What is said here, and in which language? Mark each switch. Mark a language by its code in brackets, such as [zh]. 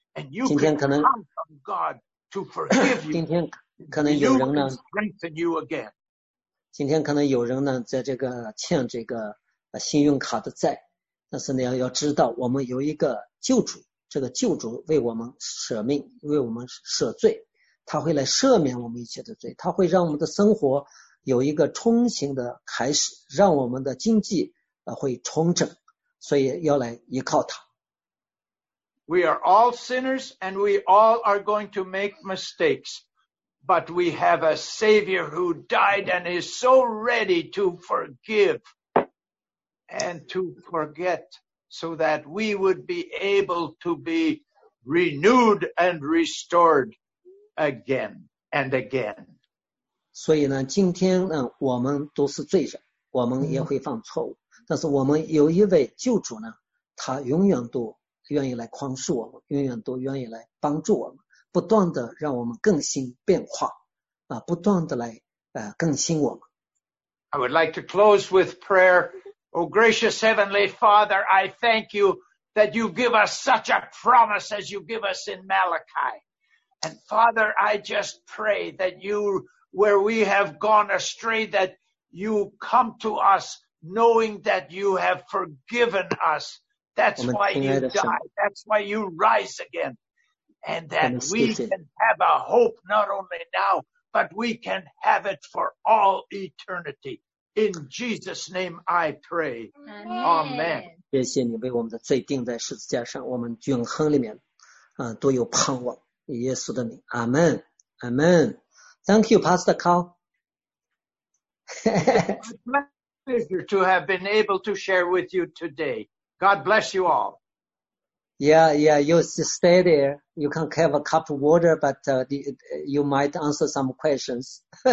[en] And you can come from God to forgive you. You can strengthen you again. [zh] 今天可能有人呢，在这个欠这个信用卡的债，但是呢，要知道我们有一个救主，这个救主为我们舍命，为我们舍罪，他会来赦免我们一切的罪，他会让我们的生活有一个重新的开始，让我们的经济会重整。所以要来依靠他。 [en] We are all sinners and we all are going to make mistakes, but we have a Savior who died and is so ready to forgive. and to forget so that we would be able to be renewed and restored again and again. [zh] 所以呢, 今天呢, 我们都是罪人, 我们也会犯错误, 但是我们有一位救主呢, 他永远都愿意来宽恕我们, 永远都愿意来帮助我们, 不断地让我们更新变化, 啊, 不断地来, 更新我们。 [en] I would like to close with prayer. O gracious Heavenly Father, I thank you that you give us such a promise as you give us in Malachi. And Father, I just pray that you, where we have gone astray, that you come to us knowing that you have forgiven us. That's why you died. That's why you rise again. And that we can have a hope not only now, but we can have it for all eternity. In Jesus' name I pray. Amen. [zh] 谢谢你为我们的罪钉在十字架上，我们永恒里面，都有盼望。以耶稣的名， Amen, Amen. [en] Thank you, Pastor Carl. My pleasure to have been able to share with you today. God bless you all. Yeah, yeah. You stay there. You can have a cup of water, but you might answer some questions.